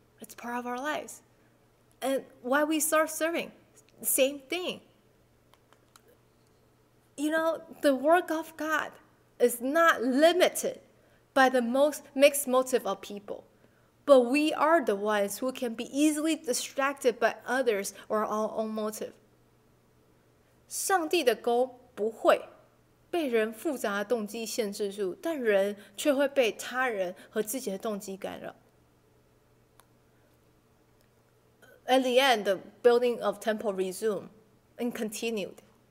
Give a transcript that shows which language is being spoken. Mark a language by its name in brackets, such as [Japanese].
[English] It's part of our lives. And why we start serving? Same thing. You know, the work of God is not limited by the most mixed motive of people. But we are the ones who can be easily distracted by others or our own motive. [Chinese] 上帝的钩不会被人复杂的动机限制住，但人却会被他人和自己的动机干扰。 [English] At the end, the building of temple resumed and continued.